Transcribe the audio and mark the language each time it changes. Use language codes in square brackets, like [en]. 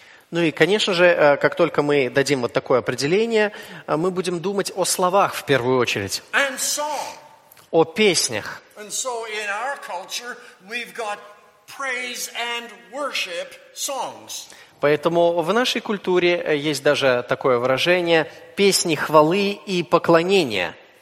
[ru] Ну и, конечно же, как только мы дадим вот такое определение, мы будем думать о словах в первую очередь. О песнях. [en] And so in our culture we've got praise and worship songs. [ru] Поэтому в нашей культуре есть даже такое выражение «песни хвалы и поклонения».